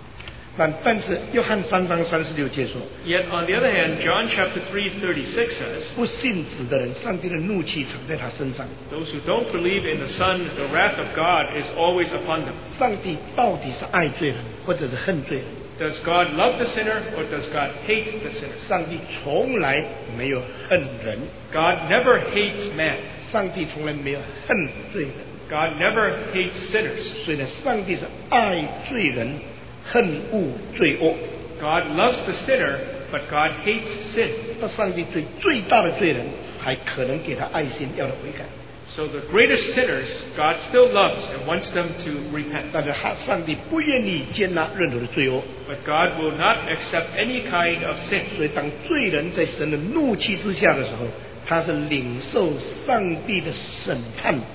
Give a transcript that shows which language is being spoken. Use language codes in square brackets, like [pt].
[zh] 等一下再安排别的事情好吗？但是约翰三章三十六节说， [en] Yet on the other hand, John chapter 3, 36 says, [zh] 不信子的人, 上帝的怒气常在他身上。 [en] Those who don't believe in the Son, the wrath of God is always upon them. [zh] 上帝到底是爱罪人, 或者是恨罪人? [en] Does God love the sinner, or does God hate the sinner? [zh] 上帝从来没有恨人。 [en] God never hates man. [zh] 上帝从来没有恨罪人。 [en] God never hates sinners. [zh] 所以呢, 上帝是爱罪人, 恨恶罪恶。 [en] God loves the sinner, but God hates sin. [zh] 那上帝最大的罪人, 还可能给他爱心, 要他悔改。 [en] So the greatest sinners, God still loves and wants them to repent. [zh] 但是上帝不愿意接纳任何的罪恶。 [en] But God will not accept any kind of sin. [zh] 所以当罪人在神的怒气之下的时候, 他是领受上帝的审判。